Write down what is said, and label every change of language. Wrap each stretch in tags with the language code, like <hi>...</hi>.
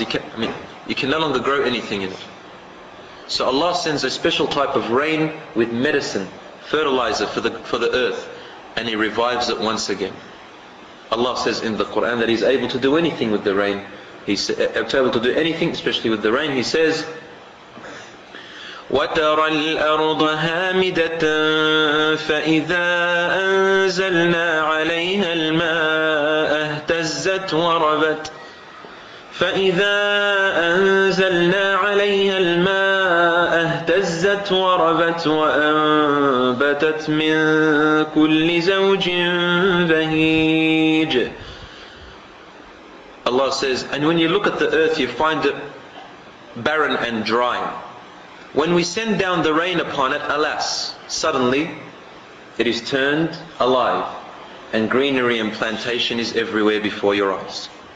<en>You can no longer grow anything in it. So Allah sends a special type of rain with medicine, fertilizer for the earth, and He revives it once again. Allah says in the Quran that He's able to do anything with the rain. He's able to do anything, especially with the rain. He says,</en> <ar>وترى الأرض هامدة فإذا أنزلنا عليها الماء اهتزت وربت فإذا أنزلنا عليها الماء اهتزت وربت وأنبتت من كل زوج بهيج.</ar> <en>Allah says, and when you look at the earth, you find it barren and dry. When we send down the rain upon it, alas, suddenly it is turned alive and greenery and plantation is everywhere before your eyes.</en>